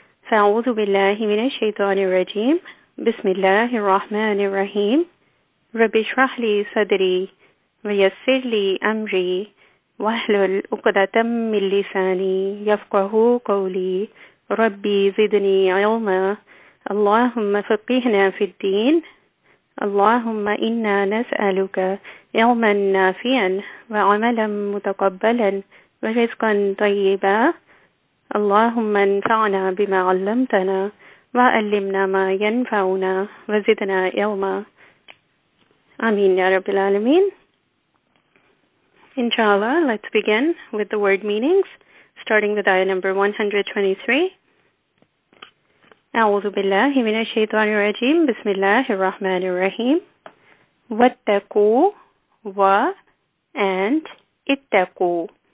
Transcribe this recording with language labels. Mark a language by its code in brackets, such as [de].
[ar] فأعوذ بالله من الشيطان الرجيم بسم الله الرحمن الرحيم رب اشرح لي صدري ويسر لي أمري واحلل عقدة من لساني يفقه قولي ربي زدني علما اللهم فقهنا في الدين اللهم إنا نسألك علما نافعا وعملا متقبلا ورزقا طيبا اللهم انفعنا بما علمتنا وعلمنا ما ينفعنا وزدنا علما آمين يا رب العالمين. [en] Inshallah, let's begin with the word meanings, starting with ayah number 123. [ar] أعوذ بالله من الشيطان الرجيم بسم الله الرحمن الرحيم واتقوا و and اتقوا.